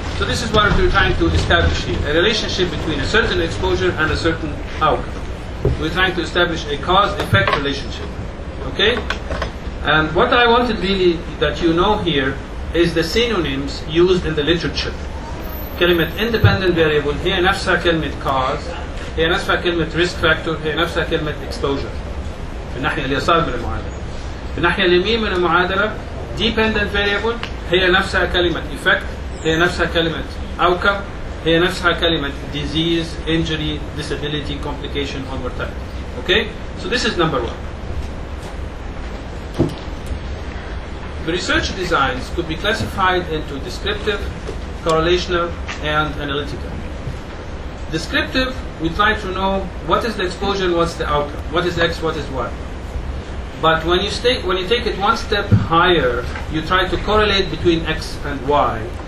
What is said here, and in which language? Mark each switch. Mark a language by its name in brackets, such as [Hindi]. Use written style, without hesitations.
[English] So this is what we're trying to establish here, a relationship between a certain exposure and a certain outcome. We're trying to establish a cause-effect relationship. Okay? And what I wanted really that you know here is the synonyms used in the literature. [Arabic] كلمة independent variable هي نفسها كلمة cause. هي نفسها كلمة risk factor، هي نفسها كلمة exposure في الناحية اليسار من المعادلة. في الناحية اليمين من المعادلة dependent variable هي نفسها كلمة effect، هي نفسها كلمة outcome، هي نفسها كلمة disease, injury, disability, complication, or mortality. [English] Okay? So this is number one. The research designs could be classified into descriptive, correlational, and analytical. Descriptive, we try to know what is the exposure and what's the outcome. What is X, what is Y. But when you stay, when you take it one step higher, you try to correlate between X and Y.